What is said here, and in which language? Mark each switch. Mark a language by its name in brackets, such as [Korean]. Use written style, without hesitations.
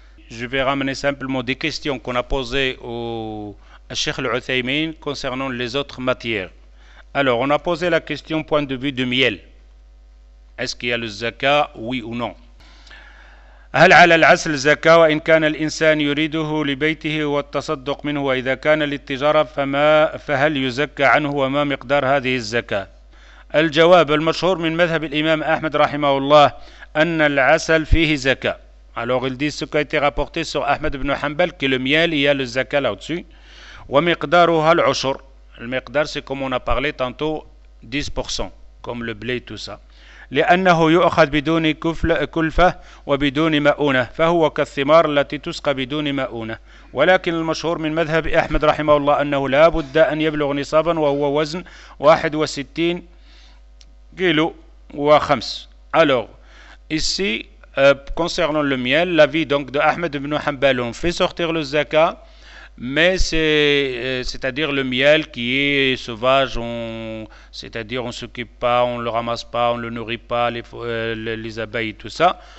[French] Je vais ramener simplement des questions qu'on a posées à Cheikh Al-Uthaymin concernant les autres matières. Alors, on a posé la question point de vue du miel. Est-ce qu'il y a le zaka, oui ou non ? [Arabic] هل على العسل زكاة وإن كان الإنسان يريده لبيته والتصدق منه وإذا كان للتجارة فهل يزكى عنه وما مقدار هذه الزكاة؟ الجواب المشهور من مذهب الإمام أحمد رحمه الله أن العسل فيه زكاة. [French] Alors ils disent ce qui a été rapporté sur Ahmed ibn Hanbal, que le miel, il y a le zaka là-dessus. [Arabic] Wa miqdaruha al-ushur. [French] Le miqdar, c'est comme on a parlé tantôt, 10%, comme le blé et tout ça. [Arabic] لأنه يؤخذ بدون كلفة وبدون مؤونة فهو كالثمار التي تسقى بدون مؤونة ولكن المشهور من مذهب أحمد رحمه الله أنه لا بد أن يبلغ نصابا وهو وزن 61 كيلو وخمس. [French] Alors, ici, concernant le miel, l'avis donc de Ahmed ibn Hanbal, on fait sortir le zakat, mais c'est-à-dire le miel qui est sauvage, c'est-à-dire on ne s'occupe pas, on ne le ramasse pas, on ne le nourrit pas, les abeilles, tout ça.